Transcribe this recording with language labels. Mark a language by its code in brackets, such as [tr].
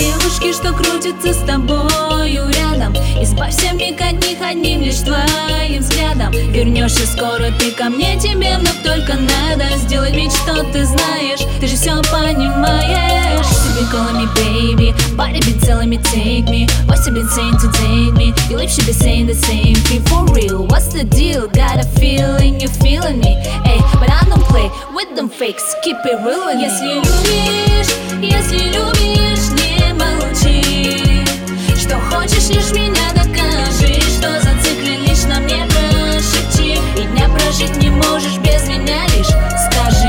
[ru] Девушки, что крутятся с тобою рядом, избавься миг от них одним лишь твоим взглядом. Вернешься скоро ты ко мне, тебе вновь только надо сделать вид, что ты знаешь, ты же все понимаешь. [en] Call me baby, body be telling me take me. What you been saying to date me? Your lips should be saying the same thing. For real, what's the deal? Got a feeling, you feeling me? Hey, but I don't play with them fakes. Keep it real with me. [ru] Если любишь, если любишь, не молчи. Что хочешь, лишь меня докажи. Что зациклен лишь на мне, прошепчи. И дня прожить не можешь без меня, лишь скажи.